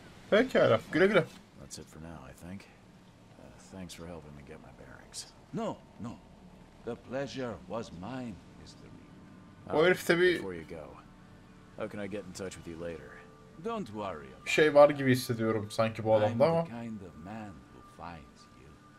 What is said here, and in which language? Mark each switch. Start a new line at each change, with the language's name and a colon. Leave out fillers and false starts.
Turkish: Pekala, güle güle.
English: That's it for now, I think. Thanks for helping me get my bearings. No, no. The pleasure was mine, Mr. Reed. Well, if tabii... Before you go, how can I get in touch with you later? Don't worry.
Turkish: Bir şey var gibi hissediyorum sanki bu adamda ama.
English: I'm the kind of man who finds you.